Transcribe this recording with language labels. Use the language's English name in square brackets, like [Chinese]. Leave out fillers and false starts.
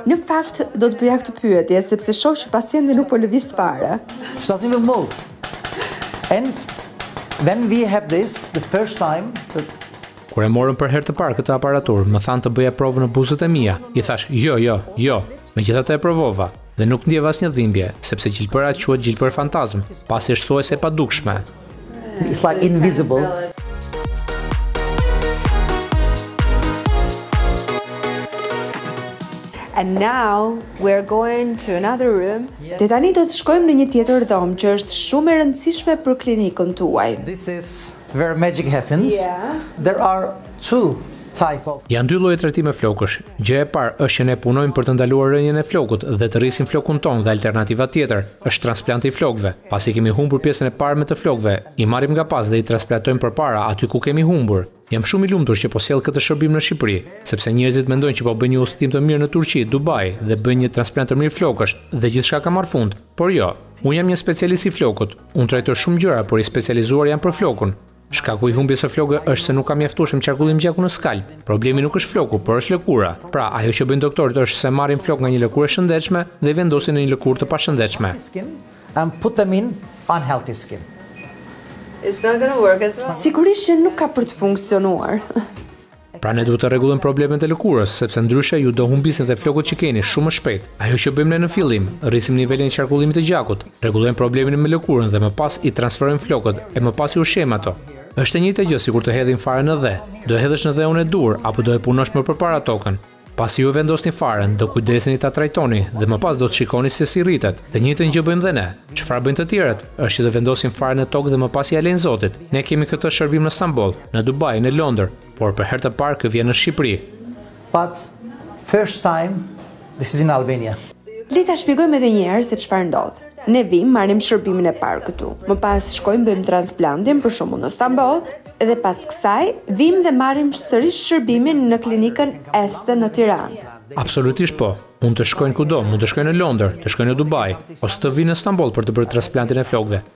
[Albanian] Në fakt do të bëja këtë pyetje sepse shoh që pacienti nuk po lëviz fare. Shtatim me mall. [English] And when we have this the first time that [Albanian] kur e morëm për herë të parë këtë aparatur, më than të bëja provën në buzët e mia. I thash, "Jo, jo, jo." Megjithatë e provova. dhe nuk ndjeva asnjë dhimbje, sepse gjilpëra quhet gjilpër fantazm, pasi është thuajse e padukshme. [English] It's like invisible. And now we're going to another room. [Albanian] Dhe tani do të shkojmë në një tjetër dhomë që është shumë e rëndësishme për klinikën tuaj. [English] This is where magic happens. There are two type of. [Albanian] Janë dy lloje trajtime flokësh. Gjë e parë është që ne punojmë për të ndaluar rënjen e flokut dhe të rrisim flokun ton dhe alternativa tjetër është transplantimi i flokëve. Pasi kemi humbur pjesën e parë me të flokëve, i marrim nga pas dhe i transplantojmë përpara aty ku kemi humbur. Jam shumë i lumtur që po sjell këtë shërbim në Shqipëri, sepse njerëzit mendojnë që po bëjnë një udhëtim të mirë në Turqi, Dubai dhe bëjnë një transplant të mirë flokësh dhe gjithçka ka marrë fund. Por jo, unë jam një specialist i flokut. Unë trajtoj shumë gjëra, por i specializuar jam për flokun. Shkaku i humbjes së flokëve është se nuk kam mjaftueshëm qarkullim gjaku në skalp. Problemi nuk është floku, por është lëkura. Pra, ajo që bëjnë doktorët është se marrin flokë nga një lëkurë shëndetshme dhe i vendosin në një lëkurë të pashëndetshme. [English] And put them in unhealthy skin. It's not gonna work as well. [Albanian] Sigurisht që nuk ka për të funksionuar. Pra ne duhet të rregullojmë problemet e lëkurës, sepse ndryshe ju do humbisni dhe flokët që keni shumë shpejt. Ajo që bëjmë ne në fillim, rrisim nivelin e qarkullimit të gjakut, rregullojmë problemin me lëkurën dhe më pas i transferojmë flokët e më pas i ushqejmë ato. Është e njëjtë gjë sikur të hedhim fare në dhe. Do e hedhësh në dhe unë e dur apo do e punosh më përpara tokën? Pasi ju vendosni faren, do kujdeseni ta trajtoni dhe më pas do të shikoni se si rritet. Të njëjtën gjë bëjmë dhe ne. Çfarë bëjnë të tjerët? Është që do vendosin faren në tokë dhe më pas ia lejnë Zotit. Ne kemi këtë shërbim në Istanbul, në Dubai, në Londër, por për herë të parë kë vjen në Shqipëri. [English] But first time this is in Albania. [Albanian] Le ta shpjegojmë edhe një herë se çfarë ndodh. Ne vim, marrim shërbimin e parë këtu. Më pas shkojmë bëjmë transplantin për shkakun në Istanbul. Dhe pas kësaj, vim dhe marrim sërish shërbimin në klinikën Este në Tiranë. Absolutisht po. Mund të shkojnë kudo, mund të shkojnë në Londër, të shkojnë në Dubai, ose të vinë në Istanbul për të bërë transplantin e flokëve.